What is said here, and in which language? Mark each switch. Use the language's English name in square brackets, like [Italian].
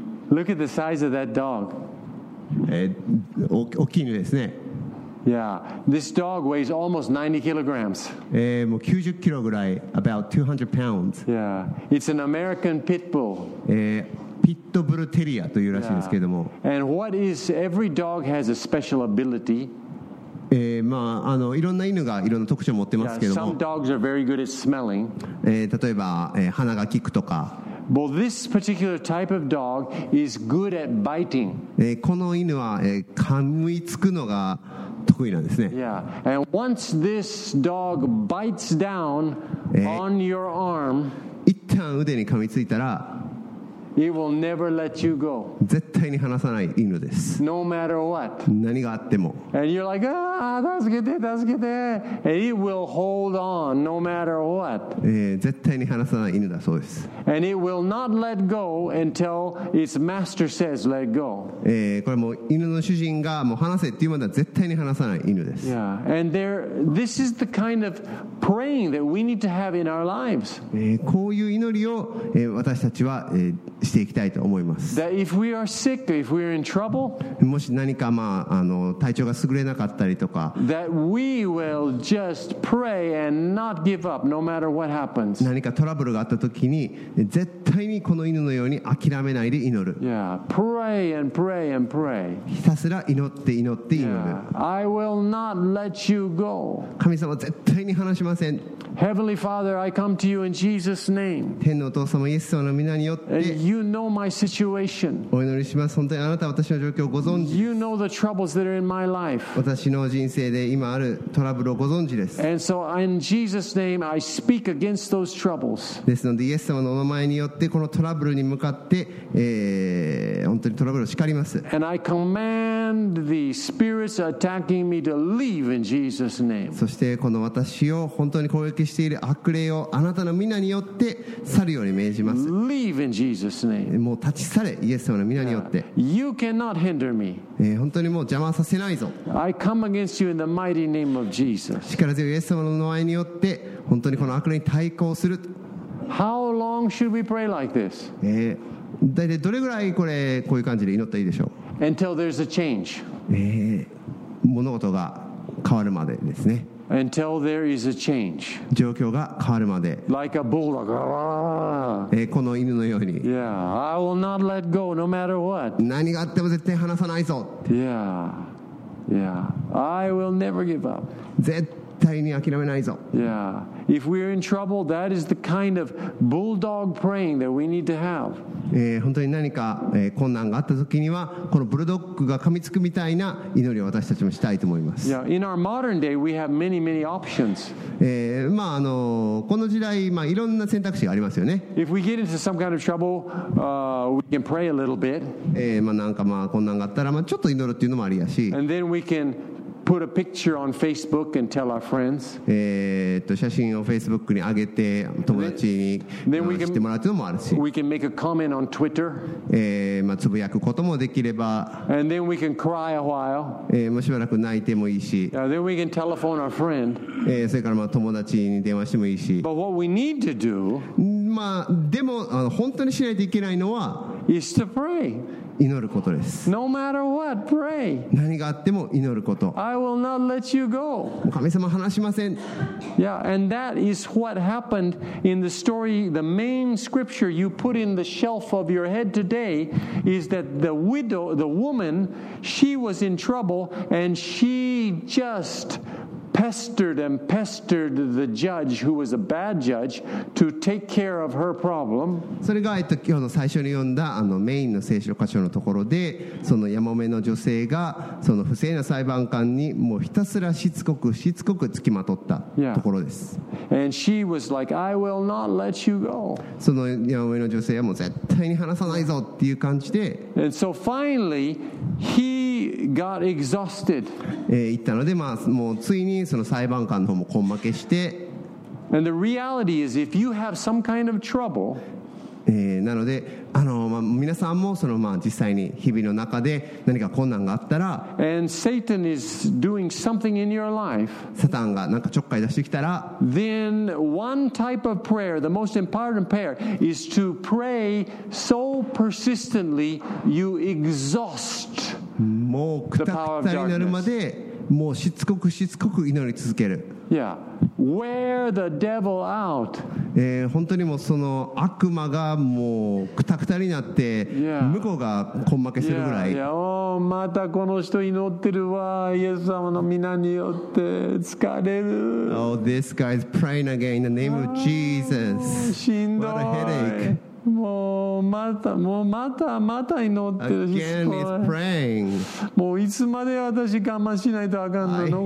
[English] Look at the size of that dog. [Japanese] 大きい犬ですね。 [English] Yeah, this dog weighs almost 90 kilograms. [Japanese] もう90キロぐらい、 [English] about 200 pounds. Yeah, it's an American pit bull. [Japanese] ピットブルテリアというらしいですけども。 [English] Yeah. And what is every dog has a special ability? [Japanese] まあ、あのいろんな犬がいろんな特徴を持ってますけども [English] 、yeah, some dogs are very good at smelling. [Japanese] 例えば、鼻が効くとか。 [English] Well, this particular type of dog is good at biting. [Japanese] この犬は、噛みつくのが得意なんですね。 [English] Yeah. And once this dog bites down on your arm, [Japanese] 一旦腕に噛みついたら、 [English] It will never let you go. [Japanese] 絶対に離さない犬です。 [English] No matter what. [Japanese] 何があっても。 [English] And you're like, ah, [Japanese] 助けて、助けて。 [English] And it will hold on no matter what. [Japanese] 絶対に離さない犬だそうです。 [English] And it will not let go until its master says let go. [Japanese] これも犬の主人がもう離せっていうまでは絶対に離さない犬です。 [English] Yeah. And there, this is the kind of praying that we need to have in our lives. [Japanese] こういう祈りを、私たちは、していきたいと思います。 [English] That if we are sick, if we are in trouble, [Japanese] もし何か、まあ、体調が優れなかったりとか、 [English] that we will just pray and not give up, no matter what happens. [Japanese] 何かトラブルがあった時に、絶対にこの犬のように諦めないで祈る。 [English] Yeah, pray and pray and pray. [Japanese] ひたすら祈って祈って祈る。 [English] Yeah, I will not let you go. [Japanese] 神様、絶対に離しません。 [English] Heavenly Father, I come to you in Jesus' name. [Japanese] 天のお父様、イエス様の皆によって。 [English] You know my situation. [Japanese] お祈りします。本当にあなたは私の状況をご存知。 [English] You know the troubles that are in my life. [Japanese] 私の人生で今あるトラブルをご存知です。 [English] And so in Jesus' name, I speak against those troubles. [Japanese] ですので、イエス様のお名前によってこのトラブルに向かって、本当にトラブルを叱ります。 [English] And I command the spirits attacking me to leave in Jesus' name. [Japanese] そしてこの私を本当に攻撃している悪霊をあなたの皆によって去るように命じます。 [English] Leave in Jesus' name. [Japanese] もう立ち去れ、イエス様の皆によって。 [English] You cannot hinder me. [Japanese] 本当にもう邪魔させないぞ。 [English] I come against you in the mighty name of Jesus. [Japanese] 力強いイエス様の名前によって本当にこの悪霊に対抗する。 [English] How long should we pray like this? [Japanese] 大体どれぐらいこれこういう感じで祈ったらいいでしょう。 [English] Until there's a change. [Japanese] 物事が変わるまでですね。 [English] Until there is a change. [Japanese] 状況が変わるまで。 [English] Like a bulldog. [Japanese] この犬のように。 [English] Yeah, I will not let go, no matter what. [Japanese] 何があっても絶対離さないぞ。 [English] Yeah, yeah. I will never give up. [Japanese] 絶対に諦めないぞ。 [English] Yeah. If we're in trouble, that is the kind of bulldog praying that we need to have. [Japanese] 本当に何か、困難があった時にはこのブルドッグが噛みつくみたいな祈りを私たちもしたいと思います。 [English] Yeah, in our modern day, we have many, many options. [Japanese] まあ、この時代、まあ、いろんな選択肢がありますよね。 [English] If we get into some kind of trouble, we can pray a little bit. [Japanese] まあ、なんか、まあ、困難があったら、まあ、ちょっと祈るっていうのもありやし。 [English] And then we canPut a picture on Facebook and tell our friends. [Japanese] 写真を Facebook に上げて友達に知ってもらうというのもあるし。 [English] We can make a comment on Twitter. [Japanese] まあ、つぶやくこともできれば。 [English] And then we can cry a while. [Japanese] もうしばらく泣いてもいいし。 [English] Then we can telephone our friend. [Japanese] それからまあ友達に電話してもいいし。 [English] But what we need to do. [Japanese] まあ、でも本当にしないといけないのは。 [English] Is to pray. [Japanese] 祈ることです。 [English] No matter what, pray. [Japanese] 何があっても祈ること。 [English] I will not let you go. [Japanese] 神様離しません。 [English] Yeah, and that is what happened in the story. The main scripture you put in the shelf of your head today is that the widow, the woman, she was in trouble and she just pestered and pestered the judge, who was a bad judge, to take care of her problem. [Japanese] それが今日の最初に読んだメインの聖書箇所のところで、そのヤモメの女性がその不正な裁判官にもうひたすらしつこくしつこくつきまとったところです。 [English] And she was like, I will not let you go. [Japanese] そのヤモメの女性はもう絶対に離さないぞっていう感じで。 [English] And so finally, he got exhausted. [Japanese] 言ったので、まあ、もうついにその裁判官の方も根負けして。 [English] And the reality is, if you have some kind of trouble, [Japanese] なので、まあ、皆さんもその、まあ、実際に日々の中で何か困難があったら、 [English] And Satan is doing something in your life, [Japanese] サタンが何かちょっかい出してきたら、 [English] then one type of prayer, the most important prayer, is to pray so persistently you exhaust [Japanese] もうくたくたになるまでもうしつこくしつこく祈り続ける。 [English] Yeah. Wear the devil out. [Japanese] 本当にもうその悪魔がもうくたくたになって、 [English] yeah. [Japanese] 向こうが根負けするぐらい。 [English] Yeah. [Japanese] Oh, またこの人祈ってるわ。イエス様の皆によって疲れる。 [English] Oh, this guy is praying again in the name of Jesus. [Japanese] しんどい。 [English] What a headache. [Japanese] もうまたもうまたまた祈ってるし、 [English] Again, he's praying. [Japanese] もういつまで私我慢しないとあかんの、